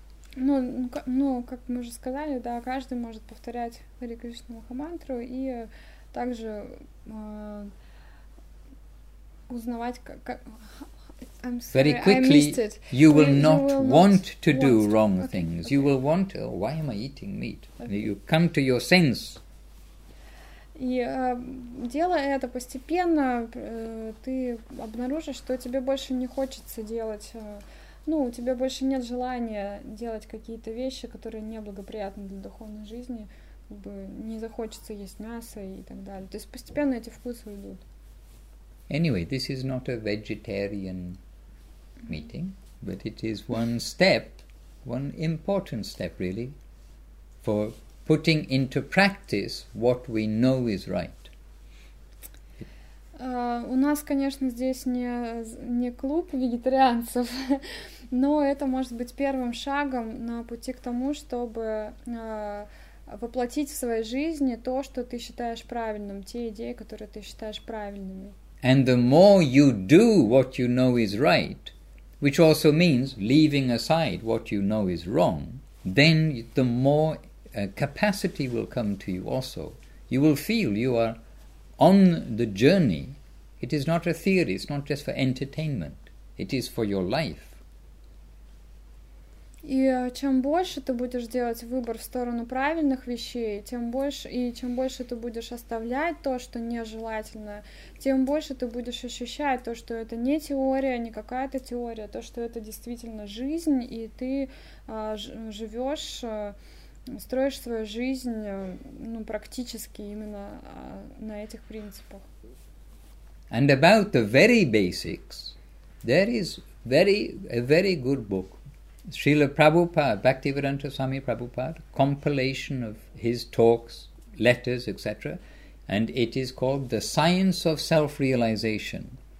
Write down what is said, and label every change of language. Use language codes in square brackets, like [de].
[ru] Как мы уже сказали, да, каждый может повторять Hare Krishna Махамантру и также узнавать, как. [en] Very quickly, you will not want to do wrong things. Okay. You will want, oh, why am I eating meat? Okay. You come to your sense. [ru] И делая это постепенно, ты обнаружишь, что тебе больше не хочется делать, ну, у тебя больше нет желания делать какие-то вещи, которые неблагоприятны для духовной жизни, как бы не захочется есть мясо и так далее. То есть постепенно эти вкусы уйдут. [en] Anyway, this is not a vegetarian meeting, but it is one step, one important step really, for putting into practice what we know is right. [ru] У нас, конечно, здесь не клуб вегетарианцев, но это может быть первым шагом на пути к тому, чтобы воплотить в своей жизни то, что ты считаешь правильным, те идеи, которые ты считаешь правильными. [en] And the more you do what you know is right, which also means leaving aside what you know is wrong, then the more capacity will come to you also. You will feel you are on the journey. It is not a theory, it's not just for entertainment. It is for your life. [ru] И чем больше ты будешь делать выбор в сторону правильных вещей, чем больше ты будешь оставлять то, что нежелательно, тем больше ты будешь ощущать то, что это не теория, не какая-то теория, то, что это действительно жизнь, и ты строишь свою жизнь практически именно на этих принципах. [en] And about the very basics, there is a very good book. Srila Prabhupada, Bhaktivedanta Swami Prabhupada, compilation of his talks, letters, etc. And it is called The Science of Self-Realization.